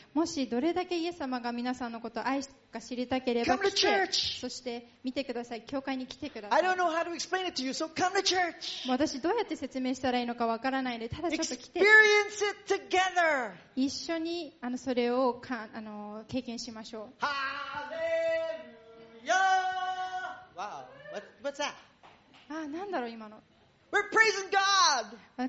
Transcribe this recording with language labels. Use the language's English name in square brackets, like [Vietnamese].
[Japanese] もしどれだけイエス様が皆さんのことを愛すか知りたければ来て、 [English] come to church. [Japanese] そして見てください。教会に来てください。 [English] I don't know how to explain it to you, so come to church. [Japanese] 私どうやって説明したらいいのかわからないので、ただちょっと来て。 [English] Experience it together. [Japanese] 一緒にそれを経験しましょう。 [English] ハレルヤ。Wow. What's that? [Japanese] なんだろう今の。 [English] We're praising God.